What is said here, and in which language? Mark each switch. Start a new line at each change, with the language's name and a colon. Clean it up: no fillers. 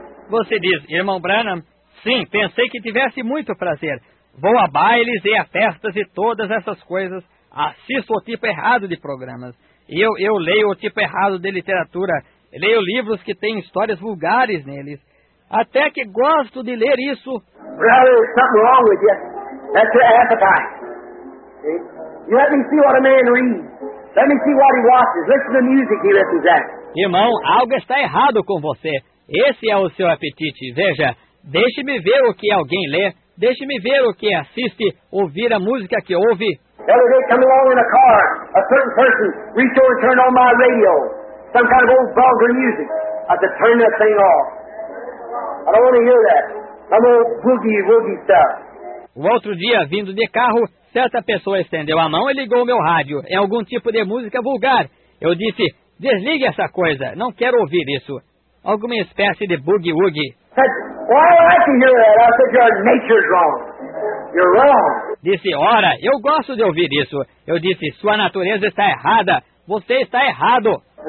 Portuguese: Você diz, irmão Branham, sim, pensei que tivesse muito prazer. Vou a bailes e a festas e todas essas coisas. Assisto o tipo errado de programas. Eu leio o tipo errado de literatura. Leio livros que têm histórias vulgares neles. Até que gosto de ler isso.
English: Brother, there's something wrong with you. That's your appetite. See? You let me see what a man reads. Let me see what he watches. Listen to the music he listens at.
Portuguese: Irmão, algo está errado com você. Esse é o seu apetite. Veja, deixe-me ver o que alguém lê. Deixe-me ver o que assiste, ouvir a música que ouve.
English: The other day, coming along in a car, a certain person reached over and turned on my radio. Some kind of old vulgar music. I said, turn that thing off. I don't want to hear that. Some old boogie-woogie stuff.
Portuguese: O outro dia, vindo de carro, certa pessoa estendeu a mão e ligou o meu rádio. É algum tipo de música vulgar. Eu disse, desligue essa coisa. Não quero ouvir isso. Alguma espécie de boogie-woogie.
English: Why do I like to hear that? I said, your nature's wrong. You're wrong.
Portuguese: Disse, ora, eu gosto de ouvir isso. Eu disse, sua natureza está errada. Você está errado.